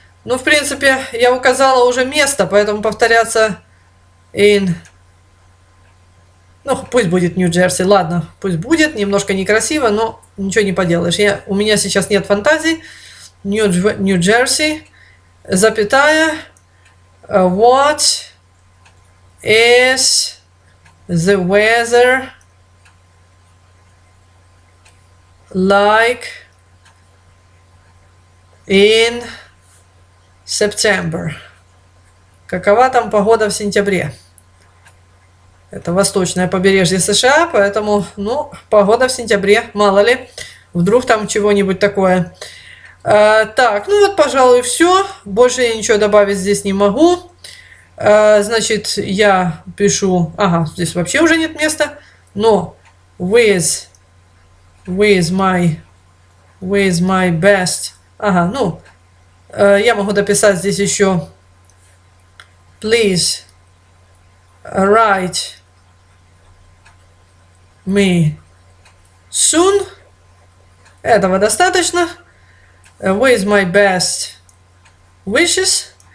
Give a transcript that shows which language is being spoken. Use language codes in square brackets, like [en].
[ru] Ну, в принципе, я указала уже место, поэтому повторяться in... Ну, пусть будет Нью-Джерси, ладно, пусть будет. Немножко некрасиво, но ничего не поделаешь. У меня сейчас нет фантазий. Нью-Джерси, запятая. [en] What is the weather like in September? [ru] Какова там погода в сентябре? Это восточное побережье США, поэтому, ну, погода в сентябре, мало ли, вдруг там чего-нибудь такое. Так, ну вот, пожалуй, все. Больше я ничего добавить здесь не могу. Значит, я пишу... Ага, здесь вообще уже нет места. Но [en] with my best... [ru] Ага, ну, я могу дописать здесь еще... [en] Please write... Me soon. [ru] Этого достаточно. [en] With my best wishes.